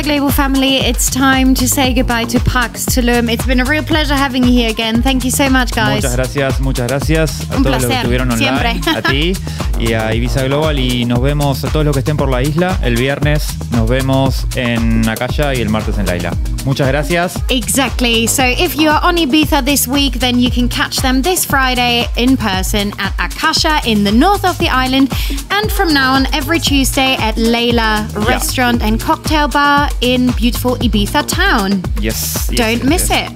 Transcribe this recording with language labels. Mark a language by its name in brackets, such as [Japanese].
[English] Family, it's time to say goodbye to Paax Tulum. It's been a real pleasure having you here again. Thank you so much, guys. [Spanish] Muchas gracias a todos los que estuvieron online, siempre. A ti y a Ibiza Global, y nos vemos a todos los que estén por la isla el viernes. Nos vemos en Acaya y el martes en la isla. Muchas gracias. [English] Exactly. So if you are on Ibiza this week, then you can catch them this Friday in person at Acaya in the north of the island. And from now on, every Tuesday at Leila restaurant and cocktail bar in beautiful Ibiza town. Yes, don't miss it.